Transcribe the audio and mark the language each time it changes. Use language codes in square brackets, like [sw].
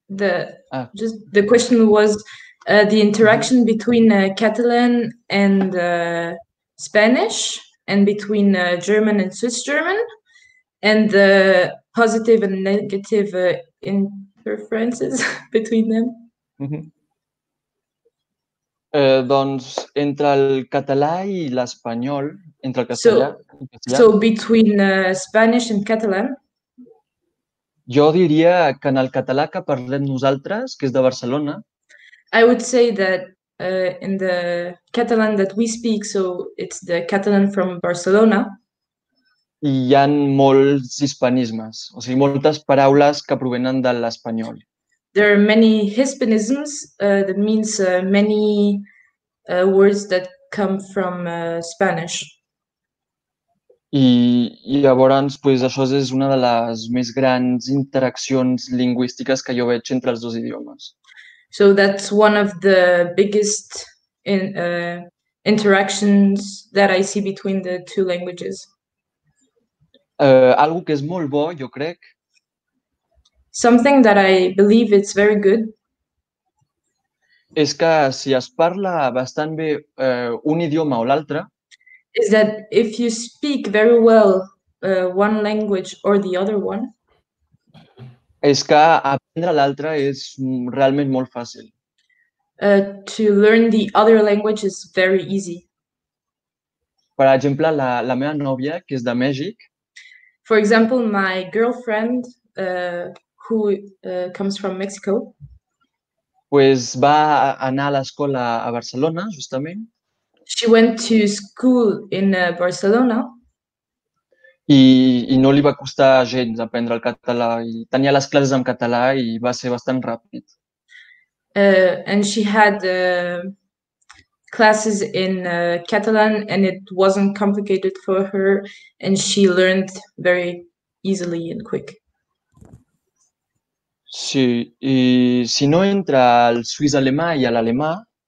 [en] The question was the interaction between Catalan and Spanish, and between German and Swiss German, and the positive and negative interferences between them. [ca] Doncs entre el català I l'espanyol, entre el castellà. [en] So between Spanish and Catalan. [ca] Jo diria que en el català que parlem nosaltres, que és de Barcelona. [en] I would say that in the Catalan that we speak, so it's the Catalan from Barcelona. [ca] Hi ha molts hispanismes, o sigui, moltes paraules que provenen de l'espanyol. [en] There are many hispanisms, that means many words that come from Spanish. [ca] I llavors, pues, això és una de les més grans interaccions lingüístiques que jo veig entre els dos idiomes. [en] So that's one of the biggest interactions that I see between the two languages. [ca] Algo que és molt bo, jo crec. [en] Something that I believe it's very good. [ca] És que si es parla bastant bé un idioma o l'altre, [en] is that if you speak very well one language or the other one, [ca] és que aprendre l'altre és realment molt fàcil. [en] To learn the other language is very easy. [ca] Per exemple, la meva nòvia, que és de Mèxic. [en] For example, my girlfriend who comes from Mexico. [ca] Pues va anar a l'escola a Barcelona, justament. [en] She went to school in Barcelona. [ca] I no li va costar gens aprendre el català. I tenia les classes en català I va ser bastant ràpid. [en] And she had classes in Catalan and it wasn't complicated for her and she learned very easily and quick. [ca] Sí, I si no entre el suís alemà I l'alemà,